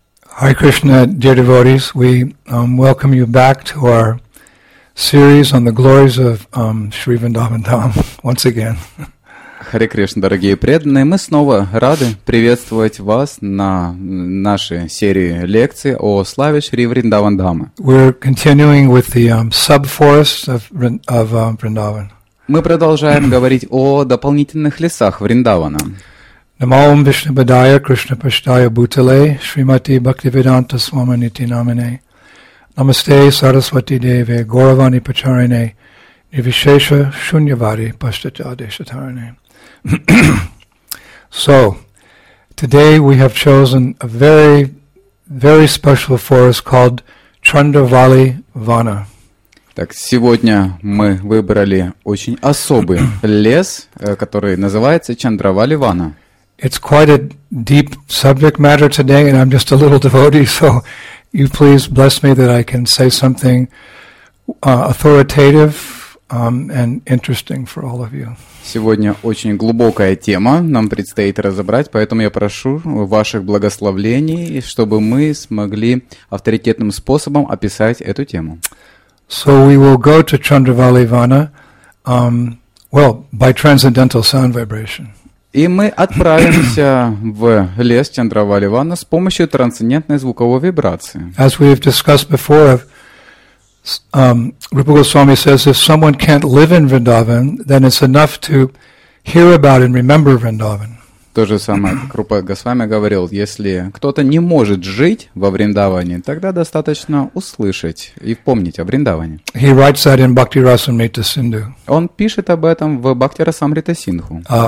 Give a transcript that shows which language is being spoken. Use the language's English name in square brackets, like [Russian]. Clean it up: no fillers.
[English] Hare Krishna, dear devotees, we welcome you back to our series on the glories of Sri Vrindavan Dham once again. [Russian] Hare Krishna, дорогие преданные, мы снова рады приветствовать вас на нашей серии лекций о славе Шри Вриндаван Дхамы. [English] We're continuing with the sub-forests of Vrindavan. [Russian] Мы продолжаем говорить о дополнительных лесах Вриндавана. [Sanskrit] Namo Om Vishnu Padaya Krishna Pashtaya Bhutale Srimati Bhaktivedanta Swamaniti Namine Namaste Saraswati Deve Gauravani Pacharine Nirvishesha Shunyavadi Pashtatadeshatarine. [English] So, today we have chosen a very, very special forest called Chandravali Vana. [Russian] Так, сегодня мы выбрали очень особый лес, который называется Чандравали Вана. [English] It's quite a deep subject matter today, and I'm just a little devotee, so you please bless me that I can say something authoritative and interesting for all of you. [Russian] Сегодня очень глубокая тема, нам предстоит разобрать, поэтому я прошу ваших благословений, чтобы мы смогли авторитетным способом описать эту тему. [English] So we will go to Chandravali Vana, well, by transcendental sound vibration. [Russian] И мы отправимся в лес Чандравали Вана с помощью трансцендентной звуковой вибрации. [English] As we have discussed before, Rupa Goswami says, if someone can't live in Vrindavan, then it's enough to hear about and remember Vrindavan. [Russian] То же самое, как Рупа Госвами говорил, если кто-то не может жить во Вриндаване, тогда достаточно услышать и помнить о Вриндаване. [English] He writes that in Bhakti Rasamrita Sindhu. [Russian] Он пишет об этом в Бхакти Расамрита Синдху.